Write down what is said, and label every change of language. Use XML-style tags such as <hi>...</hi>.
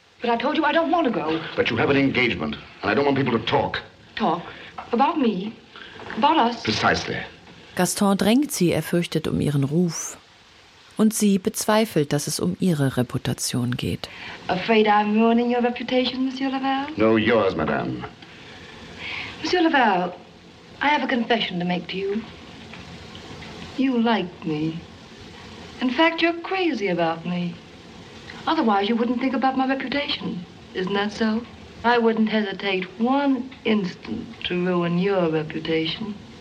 <en>But I told you I don't want to go. But you have an engagement, and I don't want people to talk. Talk? About me? About us? Precisely.</en> <de>Gaston drängt sie, er fürchtet um ihren Ruf. Und sie bezweifelt, dass es um ihre Reputation geht.</de> <en>Afraid I'm ruining your reputation, Monsieur Laval? No, yours, madame. Monsieur Laval, I have a confession to make to you. You like me. In fact, you're crazy about me. Otherwise, you wouldn't think about my reputation. Isn't that so? I wouldn't hesitate one instant to ruin your reputation.</en>